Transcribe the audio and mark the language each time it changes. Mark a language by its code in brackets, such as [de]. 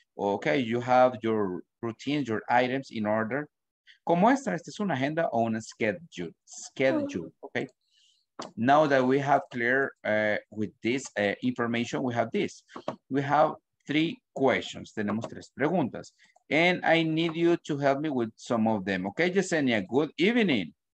[en] Okay, you have your routines, your items in order. [es] Como esta es una agenda o una schedule. [en] Schedule, okay? Now that we have clear with this information, we have this. We have 3 questions. [es] Tenemos 3 preguntas. [en] And I need you to help me with some of them. Okay, Yesenia, good evening.